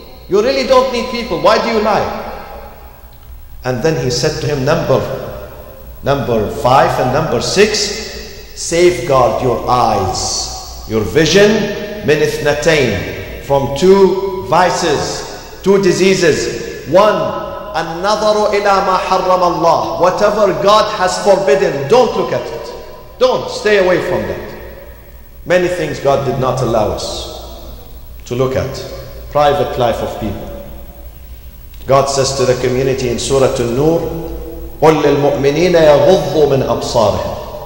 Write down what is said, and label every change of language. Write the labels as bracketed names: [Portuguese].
[English] You really don't need people. Why do you lie? And then he said to him, number five and number six, safeguard your eyes, your vision, [Arabic] min ithnatayn, [English] from two vices, two diseases. One, [Arabic] النظر إلى ما حرم الله. [English] Whatever God has forbidden, don't look at it. Don't, stay away from that. Many things God did not allow us to look at. Private life of people. God says to the community in Surah An-Nur, [Arabic] قل للمؤمنين يغضوا من أبصارهم.